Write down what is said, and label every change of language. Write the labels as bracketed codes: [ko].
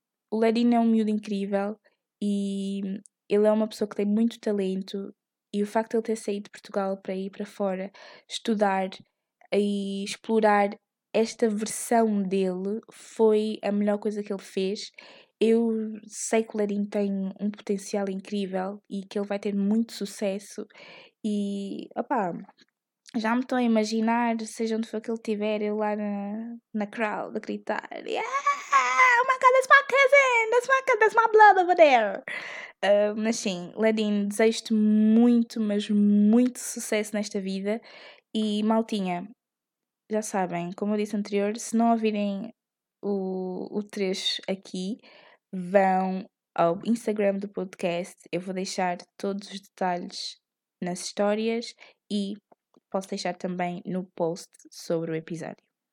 [pt] O Ledin é um miúdo incrível e ele é uma pessoa que tem muito talento, e o facto de ele ter saído de Portugal para ir para fora estudar e explorar esta versão dele foi a melhor coisa que ele fez. Eu sei que o Ledin tem um potencial incrível e que ele vai ter muito sucesso. E, opa, já me estou a imaginar, seja onde for que ele estiver, eu lá na crowd a gritar: Yeah! [en] Oh my god, that's my cousin! That's my blood over there! [pt] Mas sim, Ledin, desejo-te muito, mas muito sucesso nesta vida. E, maltinha, já sabem, como eu disse anterior, se não ouvirem o trecho aqui, vão ao Instagram do podcast, eu vou deixar todos os detalhes nas histórias e posso deixar também no post sobre o episódio.